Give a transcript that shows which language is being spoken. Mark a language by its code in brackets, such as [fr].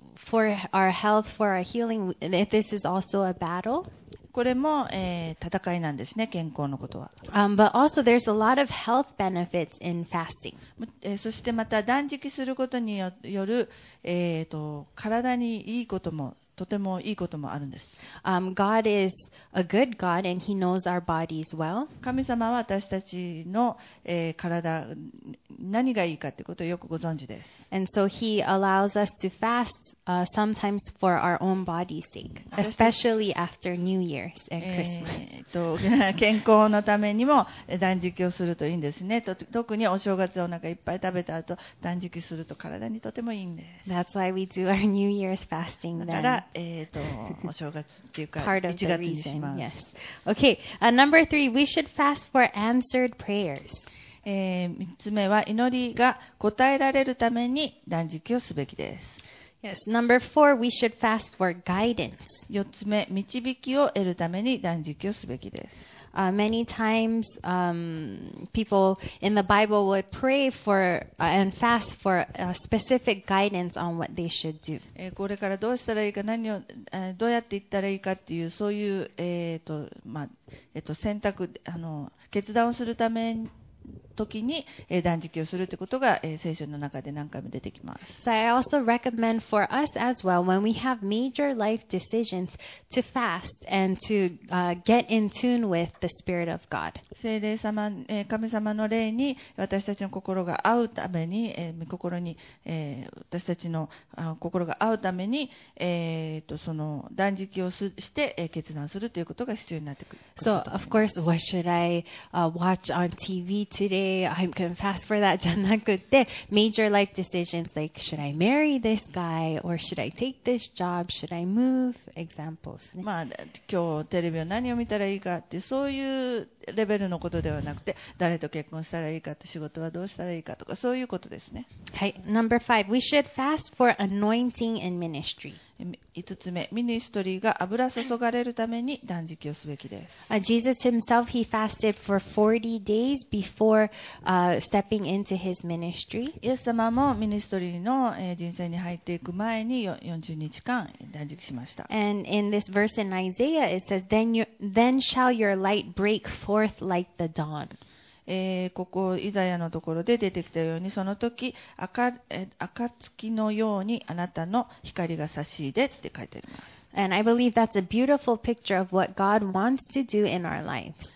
[en] For our health, for our healing, this is also a battle. [ja] これも、戦いなんですね、健康のことは。 [en] But also there's a lot of health benefits in fasting. [ja] そしてまた断食することによる、体にいいことも、とてもいいこともあるんです。 [en] God is a good God and He knows our bodies well. [ja] 神様は私たちの、体、何がいいかってことをよくご存知です。 [en] And so He allows us to fast, sometimes for our own body's sake, especially after New Year's and Christmas. [ja] 健康のためにも断食をするといいんですね。特にお正月お腹いっぱい食べた後、断食すると体にとてもいいんです。 [en] That's why we do our New Year's fasting then. [ja] お正月っていうか1月にします。 [en] Part of the reason, yes. Okay, number three, we should fast for answered prayers. [ja] 3つ目は祈りが答えられるために断食をすべきです。 [en] Yes, number four, we should fast for guidance. [ja] 4つ目、導きを得るために断食をすべきです。 [en] Many times, people in the Bible would pray for, and fast for a specific guidance on what they should do. [ja] これからどうしたらいいか、何を、どうやって行ったらいいかっていう、そういう、選択、決断をするために、時に断食をするということが聖書の中で何回も出てきます。 [en] So I also recommend for us as well when we have major life decisions to fast and to get in tune with the Spirit of God. [ja] 聖霊様、神様の霊に私たちの心が合うために、御心に私たちの心が合うためにその断食をして決断するということが必要になってくる。 [en] So of course, what should I watch on TV today? I'm going to fast for that. [ja] じゃなくて、 [en] major life decisions like should I marry this guy or should I take this job? Should I move? Examples.、ね、 [ja] まあ今日テレビを何を見たらいいかってそういうレベルのことではなくて、誰と結婚したらいいかって仕事はどうしたらいいかとかそういうことですね。 [en] はい、Number five, we should fast for anointing in ministry. [ja] 5つ目、ミニストリーが油注がれるために断食をすべきです。 [en] Jesus himself, he fasted for 40 days before stepping into his ministry. [ja] イエス様もミニストリーの人生に入っていく前に40日間断食しました。 [en] And in this verse in Isaiah, it says, then shall your light break forth like the dawn. [ja] ここイザヤのところで出てきたようにその時 暁のようにあなたの光が差し入れって書いてあります。 [en] And I believe that's a beautiful picture of what God wants to do in our lives.